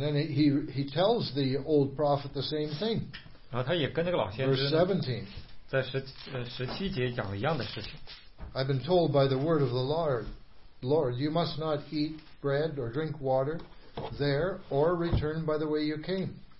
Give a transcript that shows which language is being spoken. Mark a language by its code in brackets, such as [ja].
[en] then he tells the old prophet the same thing. [zh] 然后他也跟那个老先知在十七节讲了一样的事情。 [en] I've been told by the word of the Lord, you must not eat bread or drink water there, or return by the way you came.